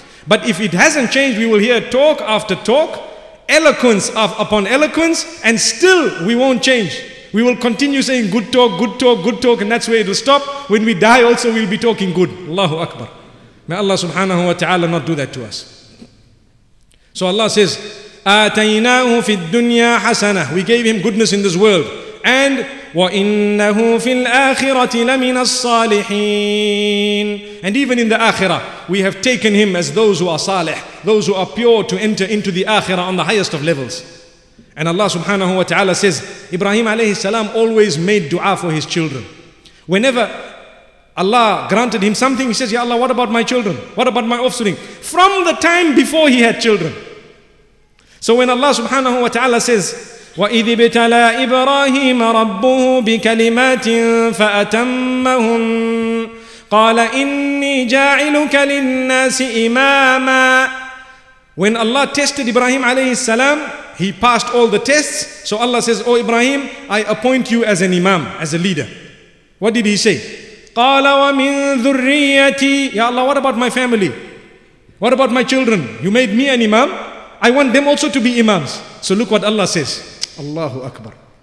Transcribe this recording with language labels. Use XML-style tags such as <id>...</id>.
<en>But if it hasn't changed, we will hear talk after talk, eloquence upon eloquence, and still we won't change. We will continue saying good talk, good talk, good talk, and that's where it will stop. When we die also, we'll be talking good. Allahu Akbar. May Allah subhanahu wa ta'ala not do that to us. So Allah says,</en> <ar>آتَيْنَاهُ فِي الدُّنْيَا حَسَنَةً.</ar> <en>We gave him goodness in this world.</en> <ar>And وَإِنَّهُ فِي الْآخِرَةِ لَمِنَ الصَّالِحِينَ.</ar> <en>And even in the Akhirah, we have taken him as those who are salih, those who are pure to enter into the Akhirah on the highest of levels. And Allah subhanahu wa ta'ala says, Ibrahim alayhi salam always made dua for his children. Whenever Allah granted him something, he says, Ya Allah, what about my children? What about my offspring? From the time before he had children. So when Allah subhanahu wa ta'ala says,</en> <ar>وَإِذْ بِتَلَى إِبْرَاهِيمَ رَبُّهُ بِكَلِمَاتٍ فَأَتَمَّهُمْ قَالَ إِنِّي جَاعِلُكَ لِلنَّاسِ إِمَامًا.</ar> <en>When Allah tested Ibrahim alayhi salam, he passed all the tests. So Allah says, oh Ibrahim, I appoint you as an imam, as a leader. What did he say?</en> <ar>قَالَ وَمِن ذُرِّيَّتِي.</ar> <en>Ya Allah, what about my family? What about my children? You made me an imam. I want them also to be imams. So look what Allah says. Allahu Akbar.</en>